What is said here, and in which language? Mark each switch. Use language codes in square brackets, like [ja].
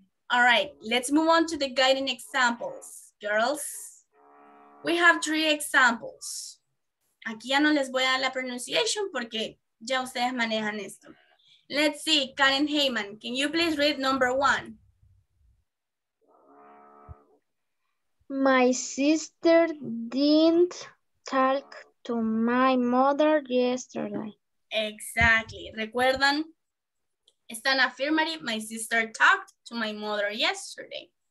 [en] All right, let's move on to the guiding examples, girls. We have three examples. [es] Aquí ya no les voy a dar la pronunciation porque ya ustedes manejan esto. [en] Let's see, Karen Heyman, can you please read number one? My sister didn't talk to my mother yesterday. Exactly. [es] ¿Recuerdan? Está en [en] affirmative, my sister talked to my mother yesterday.